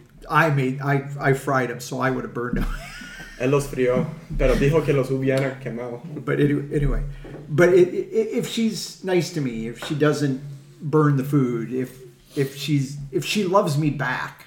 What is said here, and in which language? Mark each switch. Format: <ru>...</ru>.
<en>I fried them, so I would have burned them.</en> <es>Él los frió, pero dijo que los hubiera quemado.</es> <en>But anyway, but if she's nice to me, if she doesn't burn the food, if she loves me back.</en>